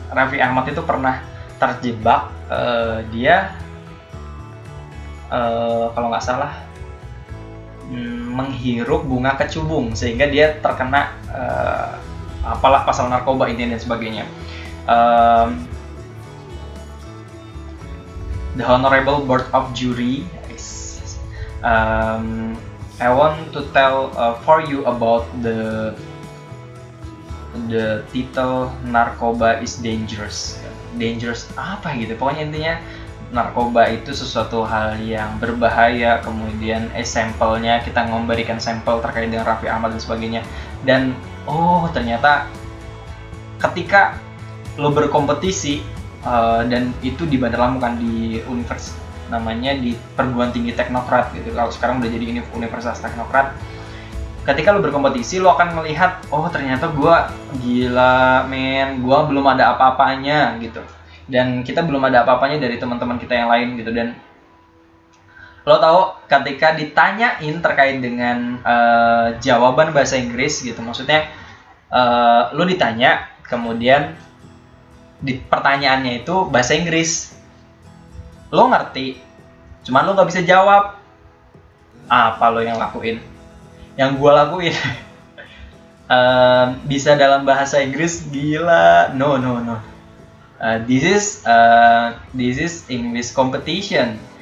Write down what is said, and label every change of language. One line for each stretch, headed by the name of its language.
Indonesian: Raffi Ahmad itu pernah terjebak. Dia kalau gak salah menghirup bunga kecubung sehingga dia terkena apalah pasal narkoba ini dan sebagainya.
English: The Honorable Board of Jury, I want to tell for you about the title narkoba is dangerous.
Indonesian: Dangerous apa gitu? Pokoknya intinya narkoba itu sesuatu hal yang berbahaya. Kemudian sampelnya kita memberikan sampel terkait dengan Raffi Ahmad dan sebagainya. Dan oh ternyata ketika lo berkompetisi dan itu di Bandar Lampung di univers namanya di perguruan tinggi teknokrat gitu, kalau sekarang udah jadi universitas teknokrat, ketika lo berkompetisi lo akan melihat oh ternyata gue gila men, gue belum ada apa-apanya gitu dan kita belum ada apa-apanya dari teman-teman kita yang lain gitu. Dan lo tahu ketika ditanyain terkait dengan jawaban bahasa Inggris gitu, maksudnya lo ditanya kemudian di pertanyaannya itu bahasa Inggris, lo ngerti, cuman lo gak bisa jawab. Apa lo yang lakuin? Yang gue lakuin bisa dalam bahasa Inggris, gila.
English: No. This is English competition.